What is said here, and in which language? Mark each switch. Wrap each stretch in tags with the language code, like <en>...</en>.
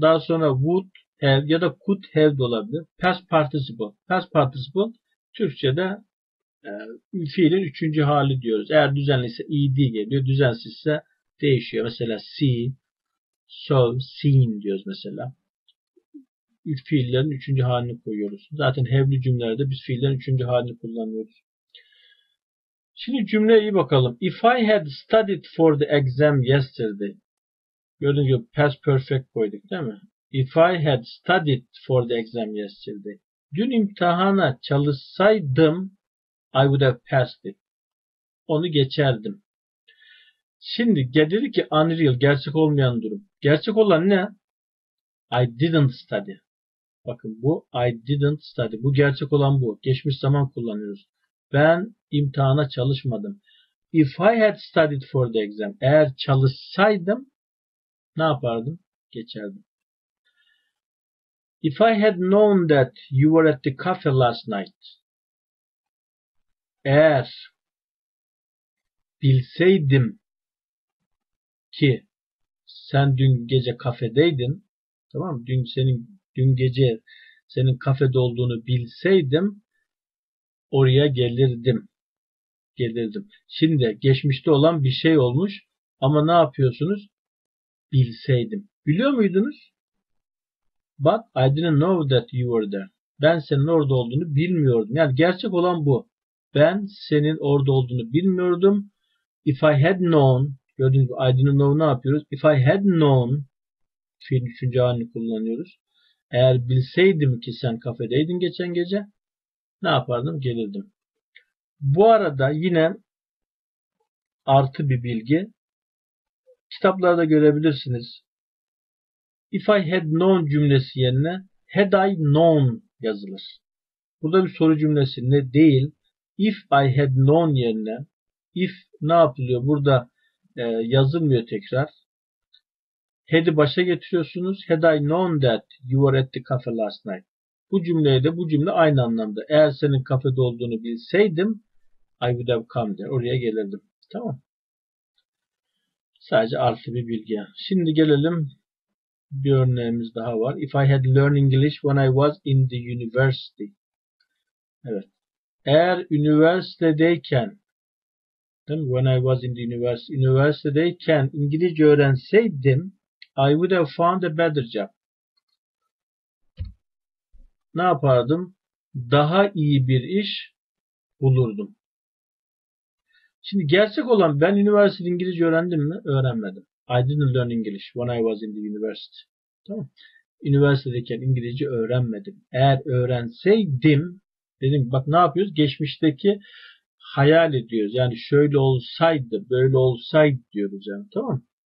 <tr>Daha sonra would have ya da could have de olabilir. Past participle Türkçe'de fiilin üçüncü hali diyoruz. Eğer düzenliyse ed geliyor. Düzensizse değişiyor. Mesela see, saw, seen diyoruz mesela. Fiillerin üçüncü halini koyuyoruz. Zaten have'li cümlelerde biz fiillerin üçüncü halini kullanıyoruz. Şimdi cümleye iyi bakalım.</tr> <en>If I had studied for the exam yesterday.</en> <tr>Gördüğünüz gibi past perfect koyduk değil mi?</tr> <en>If I had studied for the exam yesterday.</en> <tr>Dün imtihana çalışsaydım</tr> <en>I would have passed it.</en> <tr>Onu geçerdim. Şimdi dedi ki unreal, gerçek olmayan durum. Gerçek olan ne?</tr> <en>I didn't study.</en> <tr>Bakın bu I didn't study. Bu gerçek olan bu. Geçmiş zaman kullanıyoruz. Ben imtihana çalışmadım.</tr> <en>If I had studied for the exam.</en> <tr>Eğer çalışsaydım ne yapardım? Geçerdim.</tr> <en>If I had known that you were at the cafe last night.</en> <tr>Eğer bilseydim ki sen dün gece kafedeydin, tamam mı? Dün gece senin kafede olduğunu bilseydim oraya gelirdim. Gelirdim. Şimdi geçmişte olan bir şey olmuş ama ne yapıyorsunuz? Bilseydim. Biliyor muydunuz?</tr> <en>But I didn't know that you were there.</en> <tr>Ben senin orada olduğunu bilmiyordum. Yani gerçek olan bu. Ben senin orada olduğunu bilmiyordum.</tr> <en>If I had known,</en> <tr>gördüğünüz gibi</tr> <en>I didn't know</en> <tr>ne yapıyoruz? If I had known fiil üçüncü halini kullanıyoruz. Eğer bilseydim ki sen kafedeydin geçen gece, ne yapardım? Gelirdim. Bu arada yine artı bir bilgi. Kitaplarda görebilirsiniz. If I had known cümlesi yerine had I known yazılır. Burada bir soru cümlesi ne değil. If I had known yerine if ne yapılıyor? Burada yazılmıyor tekrar. Had'i başa getiriyorsunuz.</tr> <en>Had I known that you were at the cafe last night.</en> <tr>Bu cümleyle de bu cümle aynı anlamda. Eğer senin kafede olduğunu bilseydim</tr> <en>I would have come there.</en> <tr>Oraya gelirdim. Tamam. Sadece artı bir bilgi. Şimdi gelelim bir örneğimiz daha var.</tr> <en>If I had learned English when I was in the university.</en> <tr>Evet. Eğer üniversitedeyken değil mi?</tr> <en>When I was in the university.</en> <tr>Üniversitedeyken İngilizce öğrenseydim</tr> <en>I would have found a better job.</en> <tr>Ne yapardım? Daha iyi bir iş bulurdum. Şimdi gerçek olan ben üniversitede İngilizce öğrendim mi? Öğrenmedim.</tr> <en>I didn't learn English when I was in the university.</en> <tr>Tamam. Üniversitedeyken İngilizce öğrenmedim. Eğer öğrenseydim dedim bak ne yapıyoruz? Geçmişteki hayal ediyoruz. Yani şöyle olsaydı, böyle olsaydı diyoruz yani. Tamam.</tr>